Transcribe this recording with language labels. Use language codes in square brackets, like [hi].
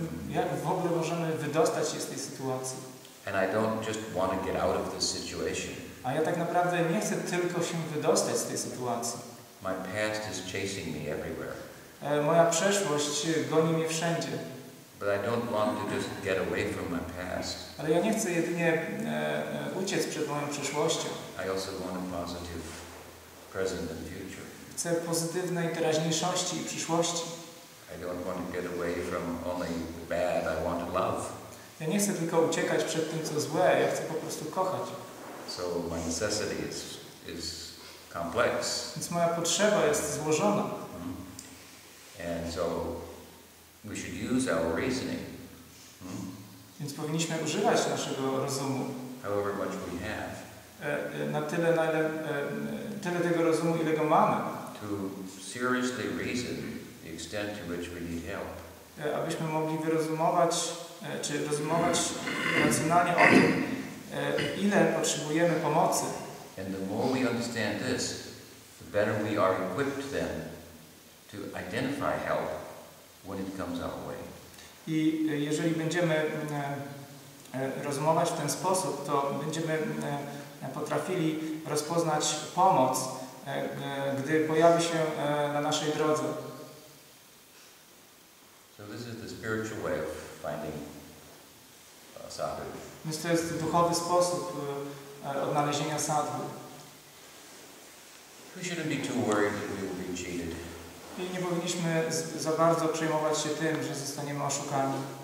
[pl] Jak w ogóle możemy wydostać się z tej sytuacji? [en] And I don't just want to get out of this situation. [pl] A ja tak naprawdę nie chcę tylko się wydostać z tej sytuacji. [en] My past is chasing me everywhere. [pl] Moja przeszłość goni mnie wszędzie. [en] But I don't want to just get away from my past. [pl] Ale ja nie chcę jedynie uciec przed moją przeszłością. [en] I also want a positive present and future. [pl] Chcę pozytywnej teraźniejszości i przyszłości. [en] I don't want to get away from only the bad, I want to love. [pl] Ja nie chcę tylko uciekać przed tym, co złe, ja chcę po prostu kochać. [en] So my necessity is complex. [pl] Więc moja potrzeba jest złożona. Mm-hmm. [en] And so we should use our reasoning. [pl] Więc powinniśmy używać naszego rozumu. [en] However much we have. [pl] Na tyle, tyle tego rozumu, ile go mamy. [en] To seriously reason. Extent to which we need help. [pl] Abyśmy mogli wyrozumować, czy rozumować racjonalnie o tym, ile potrzebujemy pomocy. [en] And the more we understand this, the better we are equipped then to identify help when it comes our way. [pl] I jeżeli będziemy rozumować w ten sposób, to będziemy potrafili rozpoznać pomoc, gdy pojawi się na naszej drodze. [en] So this is the spiritual way of finding sadhu. [pl] Więc to jest duchowy sposób odnalezienia sadhu. [en] We shouldn't be too worried that we will be cheated. [pl] I nie powinniśmy za bardzo przejmować się tym, że zostaniemy oszukani.